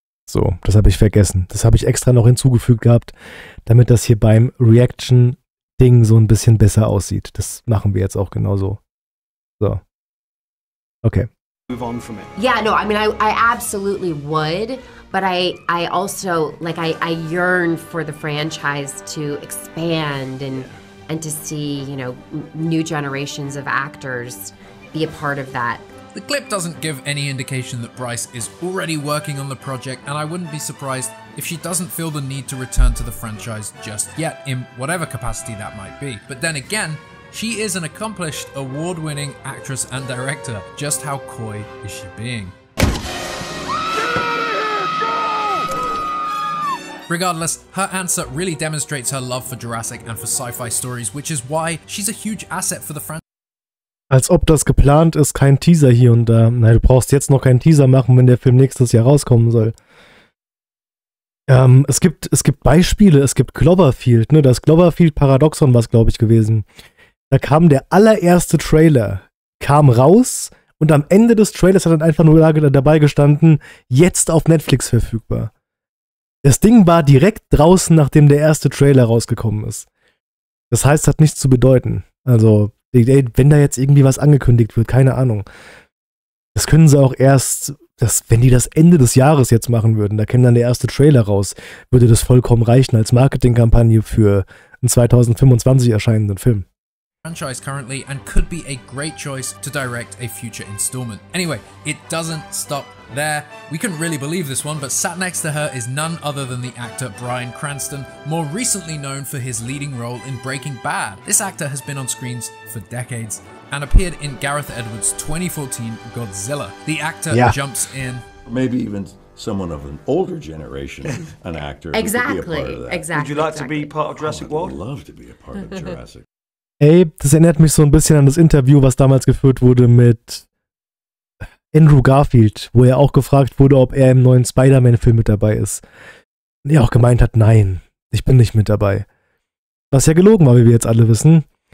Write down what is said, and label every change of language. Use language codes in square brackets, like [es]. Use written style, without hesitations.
[de] So, das habe ich vergessen. Das habe ich extra noch hinzugefügt gehabt, damit das hier beim Reaction-Ding so ein bisschen besser aussieht. Das machen wir jetzt auch genauso. So. Okay. [en] Move on from it. Yeah, no, I mean, I absolutely would, but I also, like, I yearn for the franchise to expand and to see, you know, new generations of actors be a part of that. The clip doesn't give any indication that Bryce is already working on the project, and I wouldn't be surprised if she doesn't feel the need to return to the franchise just yet, in whatever capacity that might be. But then again, she is an accomplished, award-winning actress and director. Just how coy is she being? Regardless, her answer really demonstrates her love for Jurassic and for sci-fi stories, which is why she's a huge asset for the franchise. [de] Als ob das geplant ist, kein Teaser hier und da. Nein, du brauchst jetzt noch keinen Teaser machen, wenn der Film nächstes Jahr rauskommen soll. Es gibt Beispiele, es gibt Cloverfield, ne? Das Cloverfield-Paradoxon war es, glaube ich, gewesen. Da kam der allererste Trailer, kam raus und am Ende des Trailers hat dann einfach nur dabei gestanden, jetzt auf Netflix verfügbar. Das Ding war direkt draußen, nachdem der erste Trailer rausgekommen ist. Das heißt, hat nichts zu bedeuten. Also, ey, wenn da jetzt irgendwie was angekündigt wird, keine Ahnung. Das können sie auch erst, wenn die das Ende des Jahres jetzt machen würden, da käme dann der erste Trailer raus, würde das vollkommen reichen als Marketingkampagne für einen 2025 erscheinenden Film. [en] Franchise currently and could be a great choice to direct a future installment. Anyway, it doesn't stop there. We couldn't really believe this one, but sat next to her is none other than the actor Bryan Cranston, more recently known for his leading role in Breaking Bad. This actor has been on screens for decades and appeared in Gareth Edwards' 2014 Godzilla. The actor jumps in. Maybe even someone of an older generation, an actor. Exactly. Who could be a part of that. Exactly. Would you like exactly. to be part of Jurassic World? I would love to be a part of Jurassic. [de] Ey, das erinnert mich so ein bisschen an das Interview, was damals geführt wurde mit Andrew Garfield, wo er auch gefragt wurde, ob er im neuen Spider-Man-Film mit dabei ist. Und er auch gemeint hat, nein, ich bin nicht mit dabei. Was ja gelogen war, wie wir jetzt alle wissen.